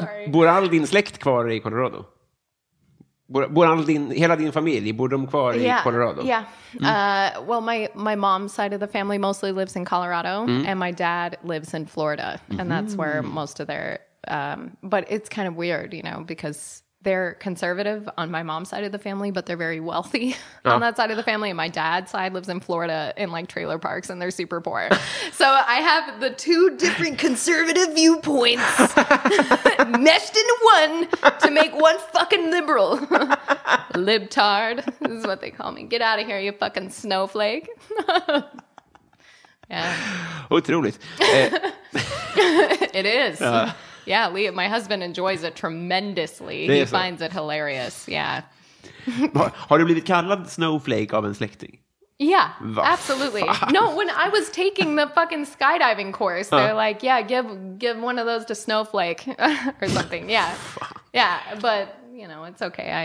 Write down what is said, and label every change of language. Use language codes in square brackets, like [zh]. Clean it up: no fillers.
[sv] Bor all din släkt kvar i Colorado? Bor all din, hela din familj, bor de kvar i Colorado? [en] Yeah. Well, my mom's side of the family mostly lives in Colorado, and my dad lives in Florida, and that's where most of their... but it's kind of weird, you know, because they're conservative on my mom's side of the family, but they're very wealthy on that side of the family. And my dad's side lives in Florida in like trailer parks and they're super poor. So I have the two different conservative viewpoints meshed into one to make one fucking liberal. Libtard is what they call me. Get out of here, you fucking snowflake. Yeah. [sv] Otroligt. [en] It is. Yeah, Lee, my husband enjoys it tremendously. Det he finds it hilarious. Yeah. [sv] Har du blivit kallad snowflake av en släkting? [en] Yeah, absolutely. No, when I was taking the fucking skydiving course, they're like, yeah, give one of those to Snowflake or something. Yeah. Yeah, but, you know, it's okay.